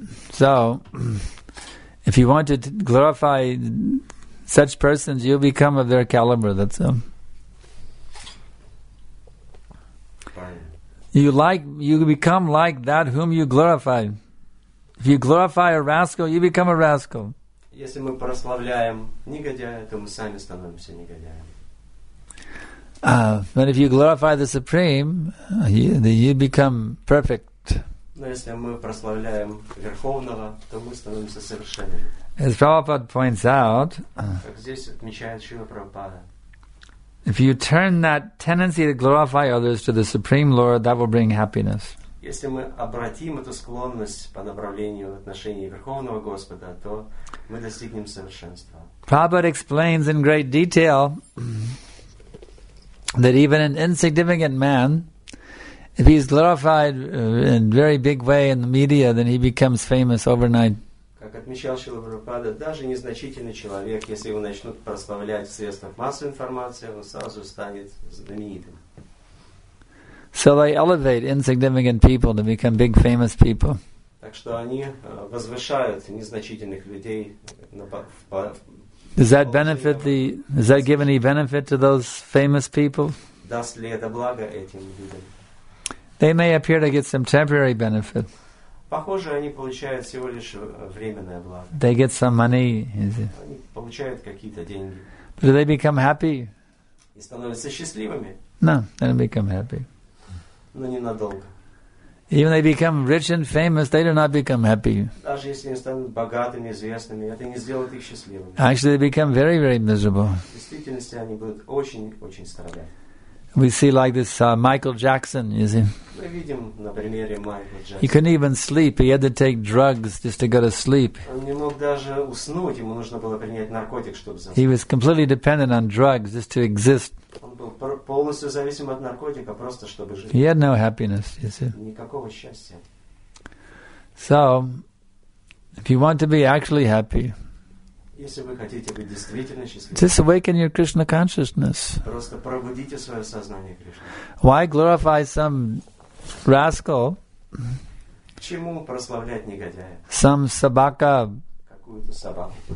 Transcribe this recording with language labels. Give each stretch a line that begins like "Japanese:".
English: So, if you want to glorify such persons, you'll become of their caliber. That's all. You become like that whom you glorify. If you glorify a rascal, you become a rascal.
Russian: Если мы прославляем негодяя, то мы сами становимся негодяями.
English: But if you glorify the Supreme, you become perfect.
Russian: Но если мы прославляем Верховного, то мы становимся совершенными.
English: As Prabhupada points out,
Russian: как здесь отмечает Шрила Прабхупада,
English: if you turn that tendency to glorify others to the Supreme Lord, that will bring happiness.
Russian: Если мы обратим эту склонность по направлению в отношении Верховного Господа, то мы достигнем совершенства.
English: Prabhupada explains in great detail that even an insignificant man, if he is glorified in a very big way in the media, then he becomes famous overnight.
Russian: Как отмечал Шрила Прабхупада, даже незначительный человек, если его начнут прославлять в средствах массовой информации, он сразу станет знаменитым.
English: So they elevate insignificant people to become big famous people.
Russian: Так что они возвышают незначительных людей на
English: Does that benefit the? Does that give any benefit to those famous people?
Russian: Даст ли это благо этим людям?
English: They may appear to get some temporary benefit.
Russian: Похоже, они получают всего лишь временное благо.
English: They get some money.
Russian: Они получают какие-то деньги.
English: But do they become happy?
Russian: И становятся счастливыми?
English: No, they don't become happy.
Russian: Но ненадолго.
English: Even they become rich and famous, they do not become happy.
Russian: Даже если они станут богатыми, известными, это не сделает их счастливыми.
English: Actually, they become very, very miserable.
Russian: В действительности они будут очень-очень страдать.
English: We see like this Michael Jackson, you see.
Russian: Мы видим на примере Майкла Джексона.
English: He couldn't even sleep. He had to take drugs just to go to sleep.
Russian: Он не мог даже уснуть. Ему нужно было принять наркотик, чтобы заснуть.
English: He was completely dependent on drugs just to exist.
Russian: Он был полностью зависим от наркотика, просто чтобы жить.
English: He had no happiness, you see.
Russian: Никакого счастья.
English: So, if you want to be actually happy,
Russian: если вы хотите быть действительно счастливым,
English: just awaken your Krishna consciousness.
Russian: Просто пробудите свое сознание Кришны.
English: Why glorify some rascal?
Russian: Чему прославлять негодяя?
English: Some собака.
Russian: Какую-то собаку.